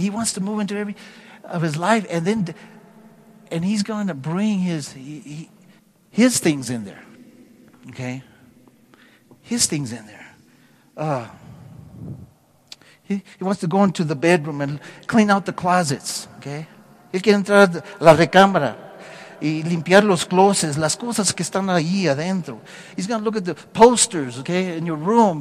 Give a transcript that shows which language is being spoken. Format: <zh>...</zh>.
<en>He wants to move into every of his life, and then and he's going to bring his things in there. Okay? His things in there. He wants to go into the bedroom and clean out the closets, okay?</en> <es>Él quiere entrar a la recámara y limpiar los closets, las cosas que están ahí adentro.</es> <en>He's going to look at the posters, okay, in your room.</en>